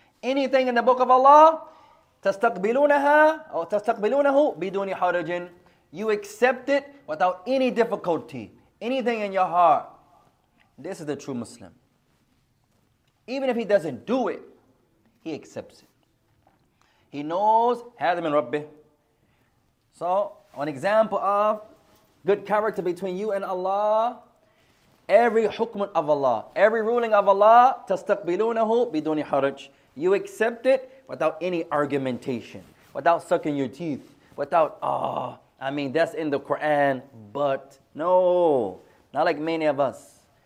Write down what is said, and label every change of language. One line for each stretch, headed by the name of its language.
English: Anything in the book of Allah,
Arabic: تستقبلونها أو تستقبلونه بدون حرج.
English: You accept it without any difficulty. Anything in your heart. This is the true Muslim. Even if he doesn't do it, he accepts it. He knows
Arabic: هذا من ربي.
English: So, an example of good character between you and Allah, every حكم of Allah, every ruling of Allah,
Arabic: تستقبلونه بدون حرج.
English: You accept it without any argumentation, without sucking your teeth, without, that's in the Quran, but no, not like many of us.